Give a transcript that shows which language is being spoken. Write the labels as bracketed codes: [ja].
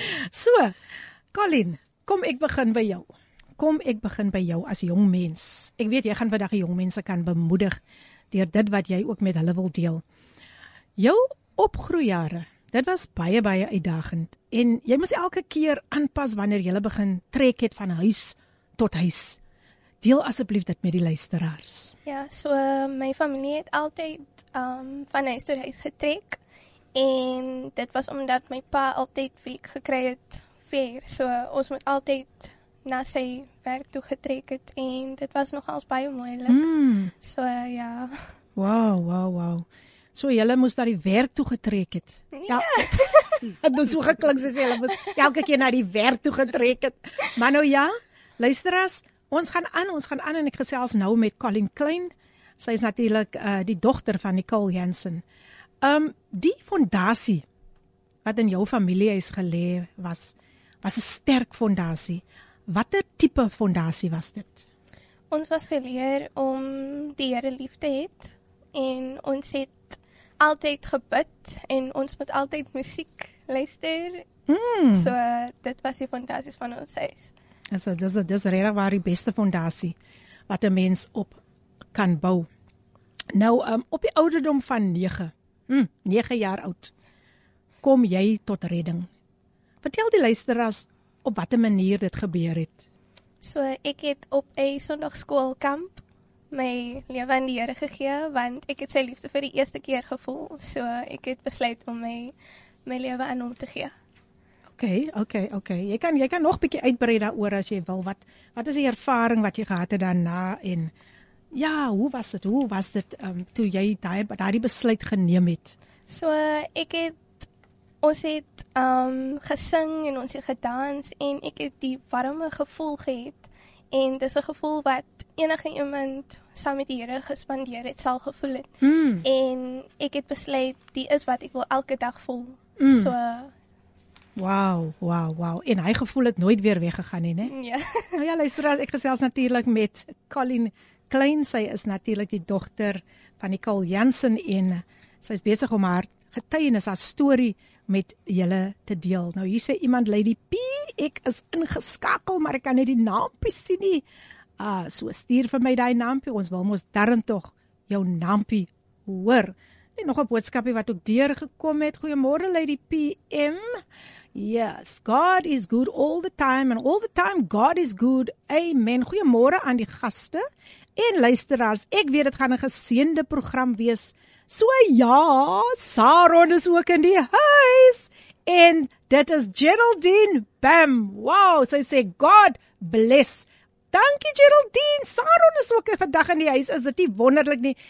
[af] So, Colleen, kom ek begin by jou as jong mens. Ek weet, jy gaan vandag jong mense kan bemoedig deur dit wat jy ook met hulle wil deel. Jou opgroeijare, dit was baie, baie uitdagend. En jy moes elke keer aanpas wanneer jy begin trek het van huis tot huis. Deel asseblief dit met die luisteraars. Ja, so my familie het altyd van huis tot huis getrek. En dit was omdat my pa altyd werk gekry het ver. So ons moet altyd na sy werk toe getrek het. En dit was nogals baie moeilik. Mm. So ja. Wow. So jylle moes daar die werk toe getrek het. Ja. Het nou so geklink, sê jylle moes elke keer na die werk toe getrek het. Maar nou ja, luisteraars, ons gaan aan en ek gesels nou met Colleen Klein. Sy is natuurlijk die dochter van Nicole Jansen. Die fondasie wat in jou familie is gelê was 'n sterk fondasie. Watter type fondasie was dit? Ons was geleer om die Here lief te hê en ons het altyd gebid en ons moet altyd musiek luister. Mm. So dit was die fondasies van ons huis. Dis regtig waar die beste fondasie wat 'n mens op kan bou. Nou, op die ouderdom van 9 jaar oud, kom jy tot redding. Vertel die luisteraars op watter manier dit gebeur het. So ek het op 'n sonoggskoolkamp my lewe aan die Here gegee, want ek het sy liefde vir die eerste keer gevoel. So ek het besluit om my lewe aan hom te gee. Okay. Jy kan nog 'n bietjie uitbrei daaroor as jy wil. Wat is die ervaring wat jy gehad het daarna? En ja, hoe was dit? Hoe was dit toe jy daai besluit geneem het? So ons het gesing en ons het gedans en ek het die warme gevoel gehad. En dis 'n gevoel wat enige iemand saam met die Here gespandeer het sal gevoel het. Mm. En ek het besluit die is wat ek wil elke dag voel. Mm. So Wow. En hy gevoel het nooit weer weggegaan nie, né? Ja. Nou ja, luister, ek gesels natuurlik met Colleen Klein. Sy is natuurlik die dogter van Nicole Jansen en sy is besig om haar getuienis, haar storie met julle te deel. Nou hier sê iemand, Lady P, ek is ingeskakel, maar ek kan net die naampie sien nie. So stuur vir my daai naampie. Ons wil mos darm tog jou naampie hoor. En nog 'n boodskapie wat ook deurgekom het. Goeiemôre Lady PM. [en] Yes, God is good all the time and all the time God is good. [af] Amen. Goeiemôre aan die gaste en luisteraars. Ek weet dit gaan 'n geseënde program wees. So ja, Saron is ook in die huis. En dit is Geraldine Bam. Wow, sy sê [en] God bless. [af] Dankie Geraldine, Saron is ook vandag in die huis, is dit nie wonderlik nie?